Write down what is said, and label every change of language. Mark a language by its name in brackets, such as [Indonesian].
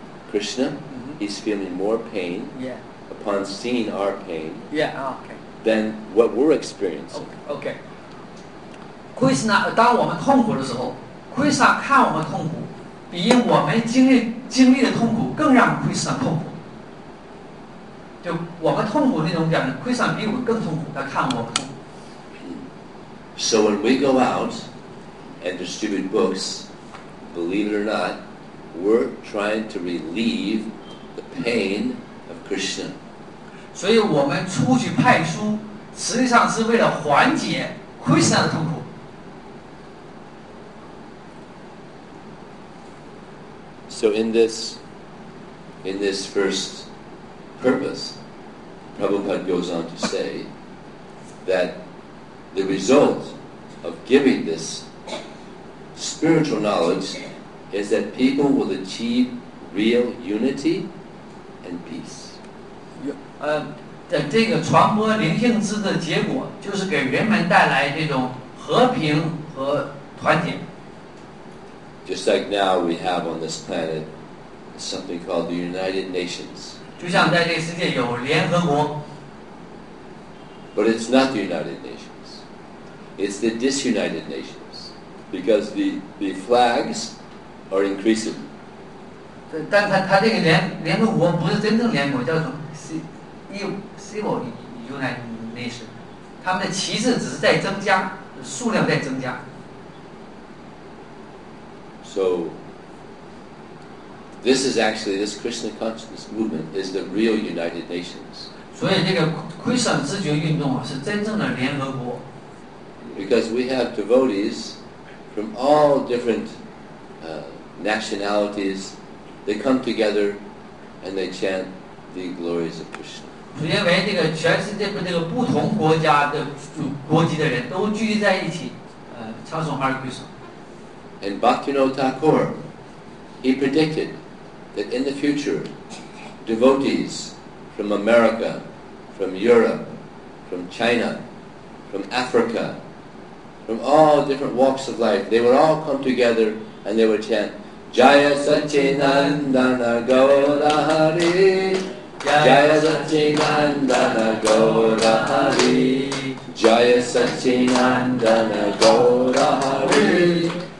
[English] Krishna, he's feeling more pain upon seeing our pain than what we're experiencing. Okay. [Chinese] Krishna, 当我们痛苦的时候 ，Krishna 看我们痛苦，比我们经历的痛苦更让 Krishna 痛苦。就我们痛苦那种感觉 ，Krishna 比我们更痛苦，他看我们痛苦。 [English] So when we go out and distribute books, believe it or not. We're trying to relieve the pain of Krishna. [Chinese] 所以我们出去派书实际上是为了缓解 Krishna 的痛苦。 [English] So in this first purpose, Prabhupada goes on to say that the result of giving this spiritual knowledge is that people will achieve real unity and peace. [Chinese] 这个传播灵性知的结果就是给人们带来这种和平和团结。 [English] Just like now we have on this planet something called the United Nations. [Chinese] 就像在这个世界有联合国。 [English] But it's not the United Nations. It's the disunited nations. Because the flags are increasing. [Chinese] 但 它这个 联合国不是真正联合国，叫做 [English] Civil United Nations. [Chinese] 他们的旗帜只是在增加，数量在增加。 [English] So, this is actually, this Krishna consciousness movement is the real United Nations. [Chinese] 所以这个 Krishna 知觉运动是真正的联合国。 [English] Because we have devotees from all different nationalities, they come together and they chant the glories of Krishna. [Chinese] 因为这个全世界的这个不同国家的国籍的人都聚集在一起，唱颂哈利·克里斯纳。 [English] And Bhaktivinoda Thakur, he predicted that in the future, devotees from America, from Europe, from China, from Africa, from all different walks of life, they would all come together and they would chant, Jaya Satchinandana Gaura Hari, Jaya Satchinandana Gaura Hari, Jaya Satchinandana Gaura Hari.